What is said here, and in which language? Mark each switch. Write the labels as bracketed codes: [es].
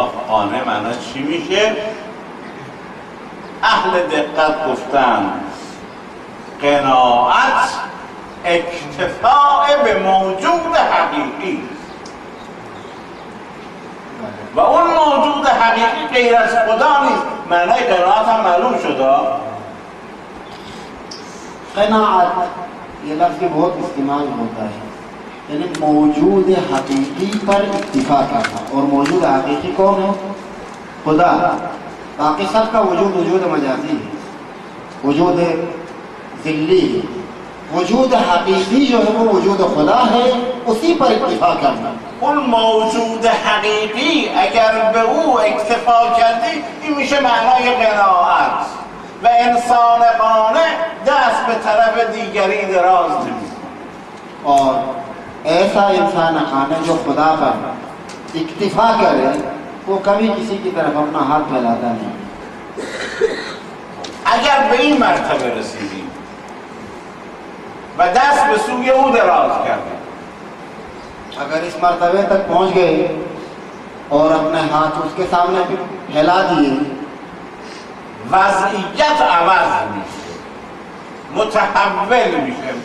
[fa] قانه معناش چی میشه؟ اهل دقت گفتن قناعت اکتفاء به موجود حقیقی و اون موجود حقیقی غیر از خدا نیست. معنی قناعت هم معلوم شد. [ur] قناعت یه لفظی بہت استعمال ہوتا ہے، یعنی موجود حقیقی پر اکتفا کرنا، اور موجود حقیقی کون ہے؟ خدا. باقی سب کا وجود وجود مجازی ہے، وجود ذلی ہے. وجود حقیقی جو ہے وہ وجود خدا ہے، اسی پر اکتفا کرنا. [fa] اون موجود حقیقی اگر به او اکتفا کردی، این میشه معنای قناعت و انسان قانع دست به طرف دیگری دراز [ur] اور ایسا انسان خانا جو خدا پر اکتفا کرے وہ کبھی کسی کی طرف اپنا ہاتھ پھیلاتا نہیں. [fa] اگر به این مرتبه رسیدی و دست به سوی او دراز کردی، [ur] اگر اس مرتبه تک پہنچ گئے اور اپنے ہاتھ اس کے سامنے پھیلا دیے، [fa] وضعیت عوض میشه، متحول میشه،